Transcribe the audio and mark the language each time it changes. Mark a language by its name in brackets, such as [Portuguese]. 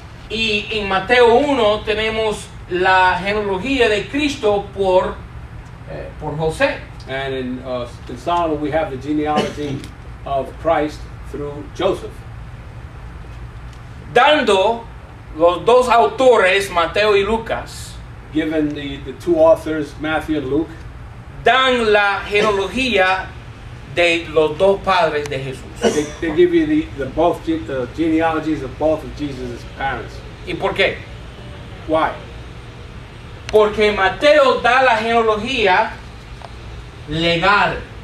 [Spanish] Y en Mateo 1 tenemos la genealogía de Cristo por José. [English] And in Solomon we have the genealogy of Christ through Joseph. [Spanish] Dando los dos autores, Mateo y Lucas, [English] given the two authors, Matthew and Luke, [Spanish] dan la genealogía de los dos padres de Jesús. [English] They give you the genealogies of both of Jesus' parents. [Spanish] ¿Y por qué? [English] Why? [Spanish] Porque Mateo da la genealogía legal.